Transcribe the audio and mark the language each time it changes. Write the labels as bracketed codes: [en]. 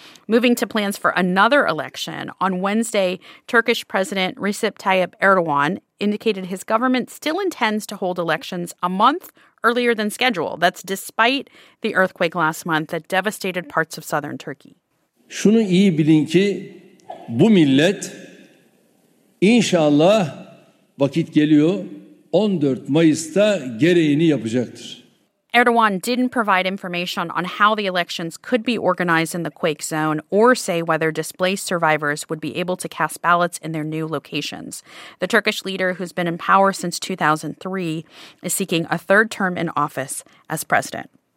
[en] Moving to plans for another election, on Wednesday, Turkish President Recep Tayyip Erdogan indicated his government still intends to hold elections a month earlier than scheduled. That's despite the earthquake last month that devastated parts of southern Turkey. [tr] Şunu iyi bilin ki bu millet inşallah vakit geliyor 14 Mayıs'ta gereğini yapacaktır. [en] Erdogan didn't provide information on how the elections could be organized in the quake zone or say whether displaced survivors would be able to cast ballots in their new locations. The Turkish leader, who's been in power since 2003, is seeking a third term in office as president.